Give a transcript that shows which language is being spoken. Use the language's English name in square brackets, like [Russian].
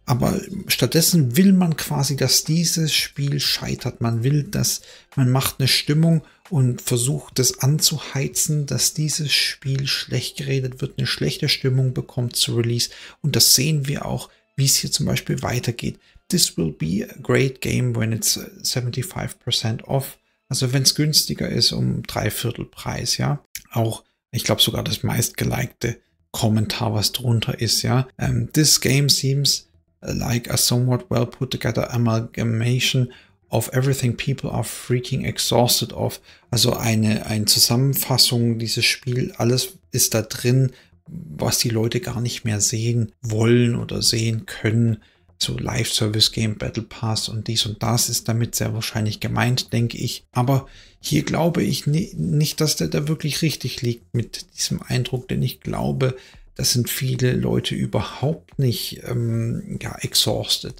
[German] Aber stattdessen will man quasi, dass dieses Spiel scheitert. Man will, dass man macht eine Stimmung und versucht es anzuheizen, dass dieses Spiel schlecht geredet wird, eine schlechte Stimmung bekommt zu Release. Und das sehen wir auch, wie es hier zum Beispiel weitergeht. [English] This will be a great game when it's 75% off. [German] Also wenn es günstiger ist, um 3/4 Preis, ja. Auch, ich glaube sogar das meistgelikte Kommentar, was drunter ist, ja. [English] This game seems like a somewhat well put together amalgamation of everything people are freaking exhausted of. [German] Also eine Zusammenfassung dieses Spiels, alles ist da drin, was die Leute gar nicht mehr sehen wollen oder sehen können. So Live-Service-Game, Battle Pass und dies und das ist damit sehr wahrscheinlich gemeint, denke ich. Aber hier glaube ich nicht, dass der da wirklich richtig liegt mit diesem Eindruck, denn ich glaube, das sind viele Leute überhaupt nicht exhausted.